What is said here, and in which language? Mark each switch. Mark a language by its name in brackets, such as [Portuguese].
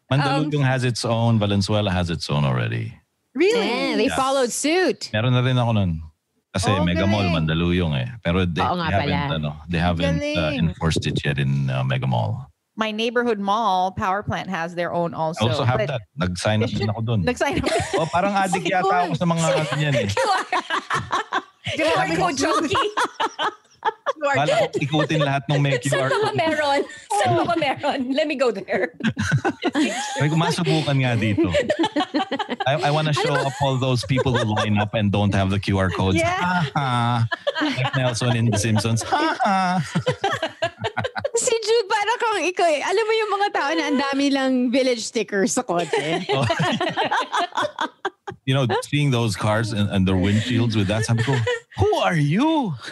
[English] Mandalugang has its own. Valenzuela has its own already. Really? They followed suit. [Filipino] Meron na rin ako nun. Kasi Mega Mall, Mandaluyong eh. [English] Pero they haven't enforced it yet in Mega Mall. My neighborhood mall, Power Plant, has their own also. I also have that. [Filipino] Nag-sign up din ako doon. Nag-sign up. Oh, parang addict yata ako sa mga ganyan eh. [English] You are so junky. [Filipino] Kala ko ikutin lahat ng may QR. Saan ba meron? [English] Let me go there. [Filipino] May kumasubukan nga dito. [English] I want to show up all those people who line up and don't have the QR codes. Yeah. Like Nelson in The Simpsons. [Filipino] Si Jude, parang kung ikaw eh. Alam mo yung mga tao na ang dami lang village stickers sa kotse. [English] You know, seeing those cars and their windshields with that, [Filipino] sabi ko, [English] who are you?